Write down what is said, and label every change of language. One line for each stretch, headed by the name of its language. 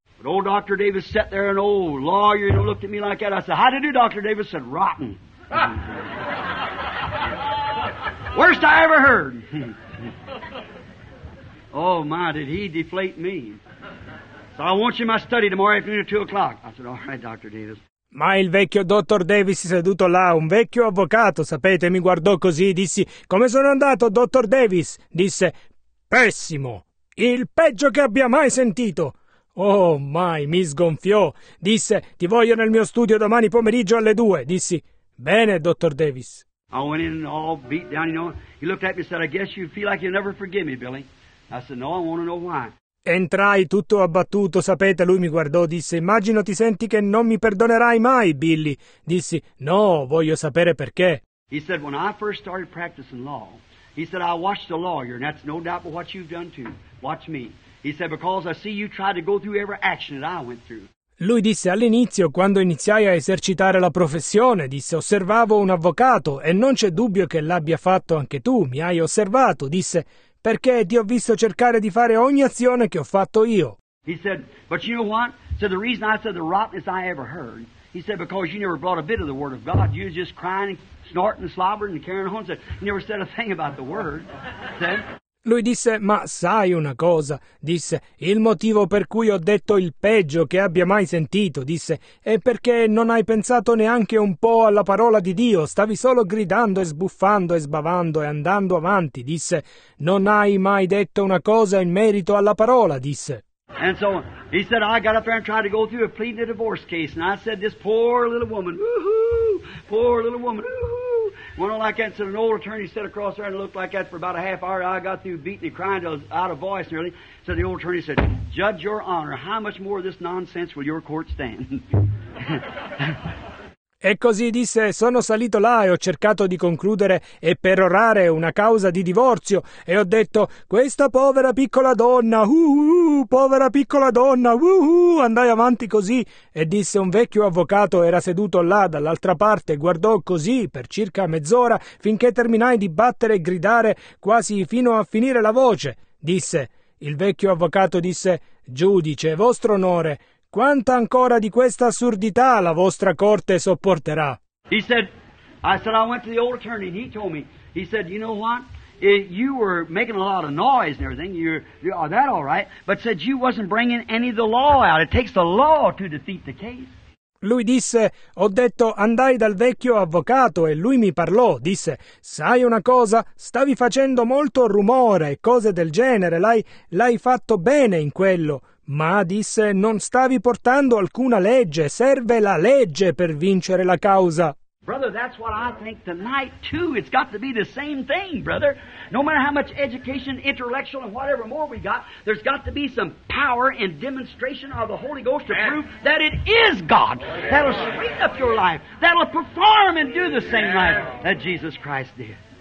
English: But old Dr. Davis sat there, an old lawyer, and looked at me like that. I said, how did you do, Dr. Davis? Said, rotten. Worst I ever heard. Oh my, did he deflate me. So I want you in my study tomorrow afternoon at 2 o'clock. I said, all right, Dr. Davis.
Italian: Ma il vecchio dottor Davis seduto là, un vecchio avvocato, sapete, mi guardò così e dissi, come sono andato, dottor Davis? Disse, pessimo, il peggio che abbia mai sentito. Oh, mai, mi sgonfiò. Disse, ti voglio nel mio studio domani pomeriggio alle 2. Dissi, bene, dottor Davis.
English: I went in all beat down, you know. He looked at me and said, I guess you feel like you'll never forgive me, Billy. I said, no, I want to know why.
Italian: Entrai tutto abbattuto, sapete, lui mi guardò, disse, immagino ti senti che non mi perdonerai mai, Billy. Dissi, no, voglio sapere perché.
English: He said, when I first started practicing law, he said, I watched a lawyer, and that's no doubt but what you've done too. Watch me. He said, because I see you try to go through every action that I went through.
Italian: Lui disse, all'inizio, quando iniziai a esercitare la professione, disse, osservavo un avvocato, e non c'è dubbio che l'abbia fatto anche tu, mi hai osservato, disse, perché ti ho visto cercare di fare ogni azione che ho fatto io.
English: He said, but you know what? So the reason I said the rottenest I ever heard, he said, because you never brought a bit of the word of God. You was just crying and snorting and slobbering and carrying on. Said, you never said a thing about the word. Said.
Italian: Lui disse, ma sai una cosa? Disse, il motivo per cui ho detto il peggio che abbia mai sentito, disse, è perché non hai pensato neanche un po' alla parola di Dio, stavi solo gridando e sbuffando e sbavando e andando avanti, disse, non hai mai detto una cosa in merito alla parola, disse.
English: And so, he said, I got up there and tried to go through a pleading a divorce case, and I said, this poor little woman, woo-hoo, poor little woman, woo-hoo. Went on like that and said, an old attorney sat across there and looked like that for about a half hour. I got through beating and crying out of voice nearly. So the old attorney said, Judge, Your Honor, how much more of this nonsense will your court stand?
Italian: E così disse, sono salito là e ho cercato di concludere e perorare una causa di divorzio. E ho detto, questa povera piccola donna, povera piccola donna, andai avanti così. E disse, un vecchio avvocato era seduto là dall'altra parte, guardò così per circa mezz'ora finché terminai di battere e gridare quasi fino a finire la voce. Disse, il vecchio avvocato disse, giudice, vostro onore, quanta ancora di questa assurdità la vostra corte sopporterà?
English: He said, I said, I went to the old attorney and he told me, he said, you know what? If you were making a lot of noise and everything, you're that all right, but said you wasn't bringing any of the law out. It takes the law to defeat the case.
Italian: Lui disse, ho detto, andai dal vecchio avvocato e lui mi parlò, disse, sai una cosa, stavi facendo molto rumore e cose del genere, l'hai fatto bene in quello. Ma, disse, non stavi portando alcuna legge, serve la legge per vincere la causa.
English: Brother, that's what I think tonight too. It's got to be the same thing, brother. No matter how much education, intellectual, and whatever more we got, there's got to be some power and demonstration of the Holy Ghost to prove that it is God. That'll straighten up your life. That'll perform and do the same life that Jesus Christ did.